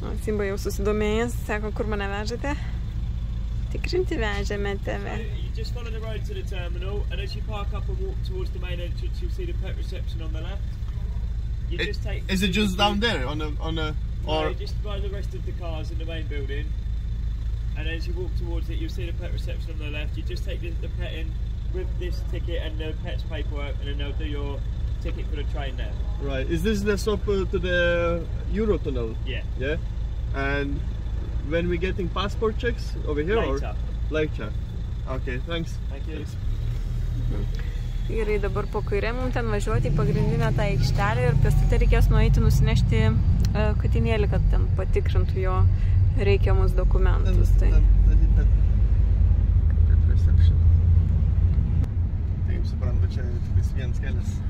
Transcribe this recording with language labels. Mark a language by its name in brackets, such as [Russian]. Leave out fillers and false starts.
[Lithuanian] Simba jau susidomėjęs, sako, kur mane vežate. Tikrinti vežėme tave. [English] You just follow the road to the terminal, and as you park up and walk towards the main entrance, you'll see the pet reception on the left. Is it just down there on the or no, just by the rest of the cars in the main building, and as you walk towards it you'll see the pet reception on the left. You just take the pet in with this ticket and the pet's paperwork, and then they'll do your ticket for a train there. Right, is this the stop to the Eurotunnel? Yeah. Yeah? And when we getting passport checks over here? Later. Or? Later. Okay, thanks. Thank you. [Lithuanian] Gerai, dabar po kairė mums ten važiuoti į pagrindinę tą aikštelę ir pėstute reikės nueiti nusinešti katinėlį, kad ten patikrintų jo reikiamus dokumentus. Tai. Taip, suprantu, čia vis vienas kelias.